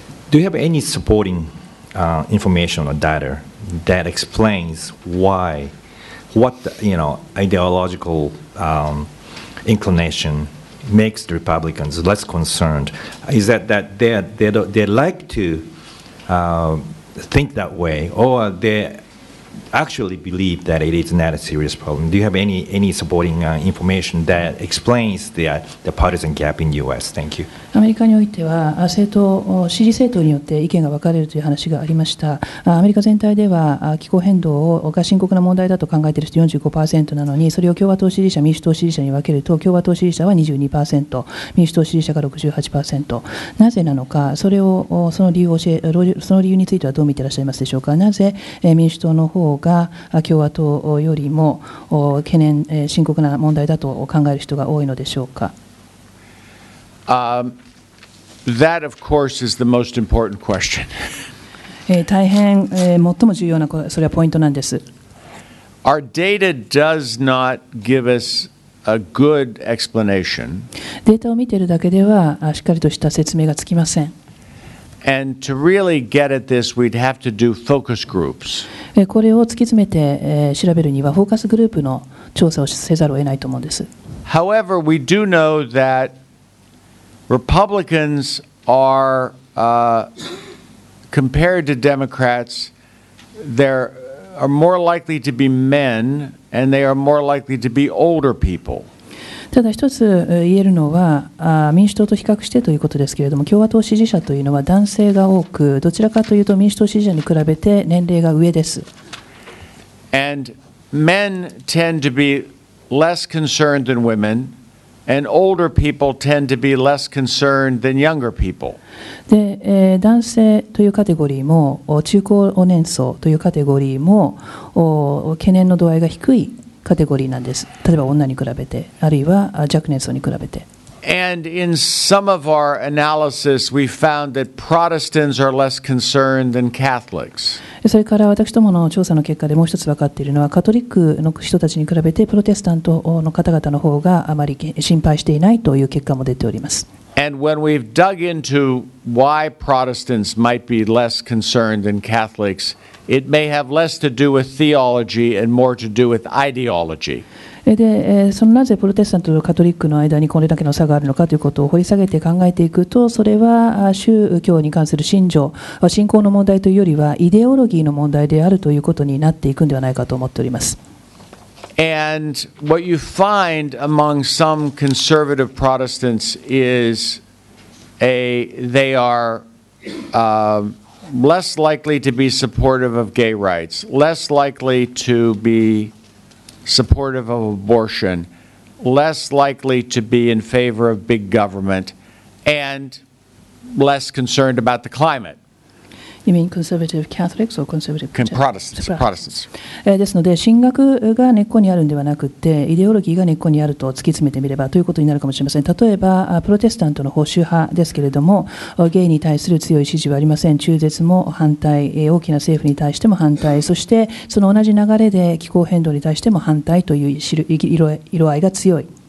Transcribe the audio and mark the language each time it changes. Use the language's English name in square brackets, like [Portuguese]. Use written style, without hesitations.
[English] Do you have any supporting information or data that explains why, what the, you know, ideological inclination makes the Republicans less concerned? Is that they like to think that way, or they? Actually believe that it is not a serious problem. Do you have any supporting information that explains the partisan gap in U.S.? Thank you. [Japanese] アメリカにおいては政党支持政党によって意見が分かれるという話がありました。アメリカ全体では気候変動が深刻な問題だと考えている人 45% なのに、それを共和党支持者民主党支持者に分けると、共和党支持者は 22%、 民主党支持者が 68%。なぜなのか、その理由についてはどう見ていらっしゃいますでしょうか。なぜ民主党の方が共和党よりも懸念深刻な問題だと考える人が多いのでしょうか。 [English] That of course is the most important question. [Japanese] 大変最も重要な、それはポイントなんです。 [English] Our data does not give us a good explanation. [Japanese] データを見ているだけではしっかりとした説明がつきません。 [English] And to really get at this, we'd have to do focus groups. [Japanese] これを突き詰めて調べるにはフォーカスグループの調査をせざるを得ないと思うんです。 [English] However, we do know thatRepublicans are, compared to Democrats, they are more likely to be men and they are more likely to be older people. [Japanese] ただ一つ言えるのは、民主党と比較してということですけれども、共和党支持者というのは男性が多く、どちらかというと民主党支持者に比べて年齢が上です。 [English] And men tend to be less concerned than women. And older people tend to be less concerned than younger people. [Japanese] で、男性というカテゴリーも、中高年層というカテゴリーも、懸念の度合いが低いカテゴリーなんです。例えば女に比べて、あるいは若年層に比べて。 [English] And in some of our analysis, we found that Protestants are less concerned than Catholics. [Japanese] それから私どもの調査の結果でもう一つ分かっているのは、カトリックの人たちに比べてプロテスタントの方々の方があまり心配していないという結果も出ております。 [English] And when we've dug into why Protestants might be less concerned than Catholics, it may have less to do with theology and more to do with ideology. [Japanese] で、そのなぜプロテスタントとカトリックの間にこれだけの差があるのかということを掘り下げて考えていくと、それは宗教に関する信条、信仰の問題というよりはイデオロギーの問題であるということになっていくのではないかと思っております。 [English] And what you find among some conservative Protestants is they are less likely to be supportive of gay rights, less likely to beSupportive of abortion, less likely to be in favor of big government, and less concerned about the climate. You mean conservative Catholics or conservative Protestants? [Japanese] ですので、神学が根っこにあるのではなくて、イデオロギーが根っこにあると突き詰めてみればということになるかもしれません。例えば、プロテスタントの保守派ですけれども、ゲイに対する強い支持はありません。中絶も反対、大きな政府に対しても反対、そしてその同じ流れで気候変動に対しても反対という色合いが強い。